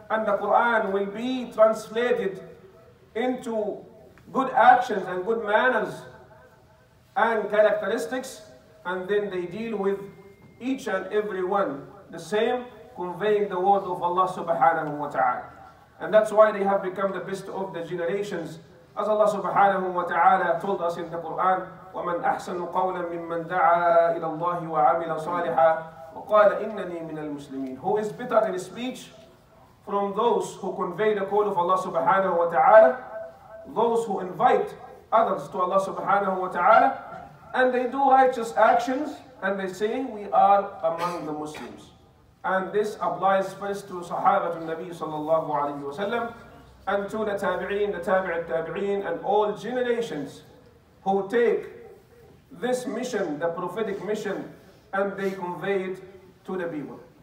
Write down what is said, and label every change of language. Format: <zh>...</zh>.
<en>and the Quran will be translated into good actions and good manners and characteristics, and then they deal with each and every one the same, conveying the word of Allah subhanahu wa ta'ala. And that's why they have become the best of the generations. As Allah subhanahu wa ta'ala told us in the Quran,</en> <ar>وَمَنْ أَحْسَنُ قَوْلًا مِمَّنْ دَعَى إِلَى اللَّهِ وَعَمِلَ صَالِحًا وَقَالَ إِنَّنِي مِنَ الْمُسْلِمِينَ.</ar> <en>Who is better in speech from those who convey the call of Allah subhanahu wa ta'ala, those who invite others to Allah subhanahu wa ta'ala, and they do righteous actions, and they say, we are among the Muslims. And this applies first to Sahabatul Nabi sallallahu alayhi wa sallam, and to the Tabi'een, the Tabi'at Tabi'een, and all generations who take this mission, the prophetic mission, and they convey it to the people.</en>